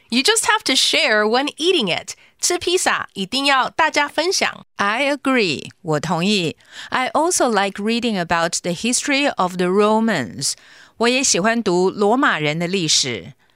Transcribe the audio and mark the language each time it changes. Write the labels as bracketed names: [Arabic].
[English] You just have to share when eating it. [Chinese] 吃披萨一定要大家分享。 [English] I agree, [Chinese] 我同意。 [English] I also like reading about the history of the Romans. [Chinese] 我也喜欢读罗马人的历史。